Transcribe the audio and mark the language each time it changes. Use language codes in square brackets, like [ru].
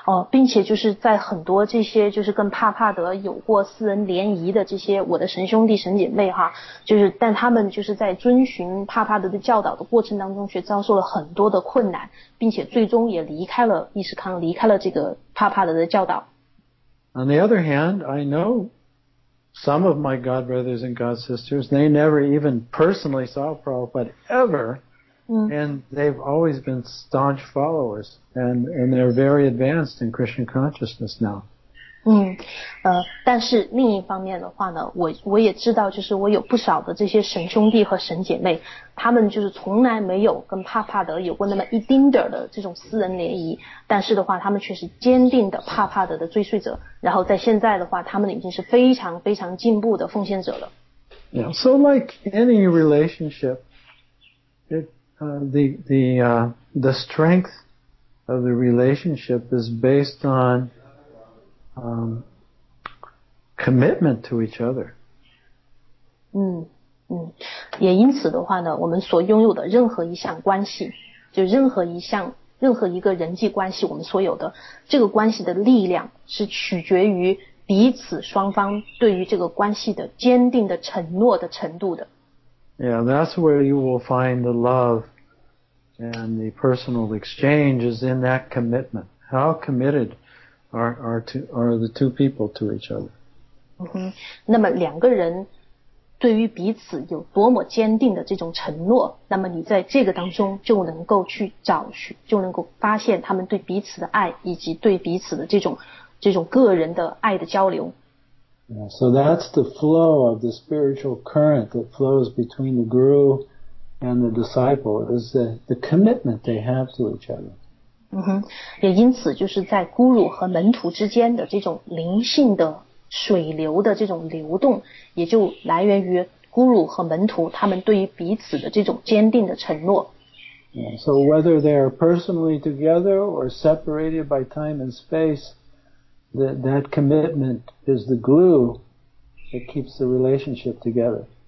[zh] 并且就是在很多这些就是跟帕帕德有过私人联谊的这些我的神兄弟神姐妹哈，就是但他们就是在遵循帕帕德的教导的过程当中却遭受了很多的困难，并且最终也离开了意识康，离开了这个帕帕德的教导。 [en] On the other hand, I know some of my God brothers and God sisters, they never even personally saw Prabhupada ever. And they've always been staunch followers, and they're very advanced in Krishna consciousness now. [zh] 但是另一方面的话呢，我也知道，就是我有不少的这些神兄弟和神姐妹，他们就是从来没有跟帕帕德有过那么一丁点的这种私人联谊，但是的话，他们却是坚定的帕帕德的追随者，然后在现在的话，他们已经是非常非常进步的奉献者了。 [en] Yeah, so like any relationship, the strength of the relationship is based on commitment to each other. [zh] 也因此的话呢，我们所拥有的任何一项关系，就任何一个人际关系，我们所有的这个关系的力量是取决于彼此双方对于这个关系的坚定的承诺的程度的。 [en] Yeah, that's where you will find the love and the personal exchange is in that commitment. How committed are the two people to each other? [zh] 那么两个人对于彼此有多么坚定的这种承诺，那么你在这个当中就能够去找寻，就能够发现他们对彼此的爱以及对彼此的这种个人的爱的交流。 [en] Yeah, so that's the flow of the spiritual current that flows between the guru and the disciple, is the commitment they have to each other. [zh] 也因此就是在孤乳和门徒之间的这种灵性的水流的这种流动，也就来源于孤乳和门徒他们对于彼此的这种坚定的承诺。 [en] Yeah, so whether they are personally together or separated by time and space, that commitment is the glue that keeps the relationship together.